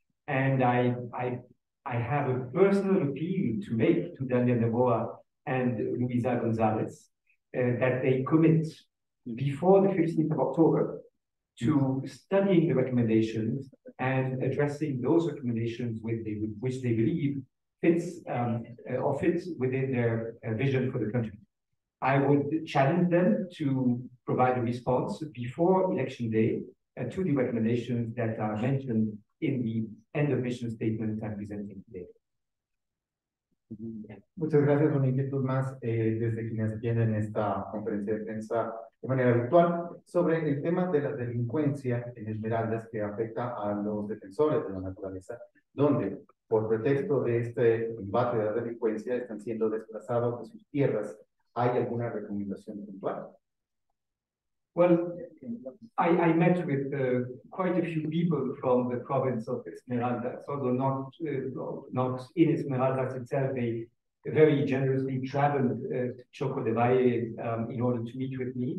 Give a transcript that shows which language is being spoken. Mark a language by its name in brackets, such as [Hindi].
[English] And I have a personal appeal to make to Daniel Noboa and Luisa González, that they commit before the 15th of October to studying the recommendations and addressing those recommendations which they believe fits within their vision for the country. I would challenge them to provide a response before election day to the recommendations that are mentioned in the end of mission statement I'm presenting today. [Spanish] Muchas gracias, una inquietud más desde quienes vienen esta conferencia de prensa de manera virtual sobre el tema de la delincuencia en Esmeraldas que afecta a los defensores de la naturaleza, donde por pretexto de este combate de la delincuencia están siendo desplazados de sus tierras. ¿Hay alguna recomendación puntual? [English] Well, I met with quite a few people from the province of Esmeraldas, although not in Esmeraldas itself. They very generously traveled to Choco de Valle in order to meet with me.